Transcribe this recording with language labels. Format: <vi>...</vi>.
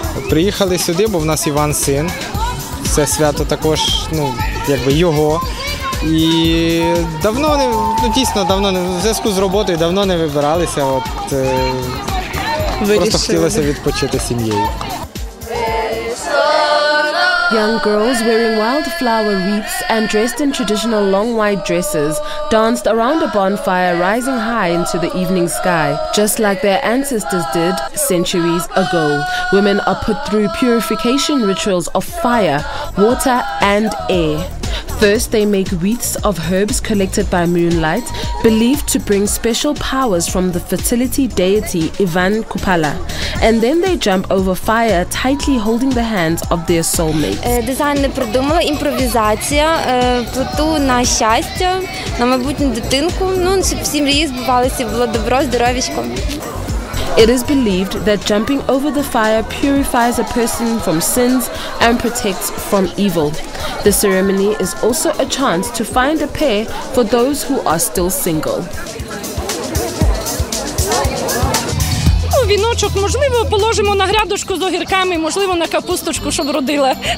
<uk>Приїхали сюди, бо в нас Іван син. Це свято також, ну, якби його. І давно не, ну дійсно давно не, в зв'язку з роботою давно не вибиралися. От просто хотілося відпочити сім'єю.</uk> <en>Young girls wearing wildflower wreaths and dressed in traditional long white dresses danced around a bonfire rising high into the evening sky, just like their ancestors did centuries ago. Women are put through purification rituals of fire, water, and air. First, they make wreaths of herbs collected by moonlight, believed to bring special powers from the fertility deity Ivan Kupala. And then they jump over fire, tightly holding the hands of their soulmates.</en> <uk>Дизайн не придумала, імпровізація. Плету на щастя, на майбутню дитинку. Ну, щоб всі мрії збувалися, було добро, здоров'ячко.</uk> <en>It is believed that jumping over the fire purifies a person from sins and protects from evil. The ceremony is also a chance to find a pair for those who are still single.</en> <uk>Ну, віночок, можливо, положимо на грядочку з огірками, можливо, на капусточку, щоб родила.</uk>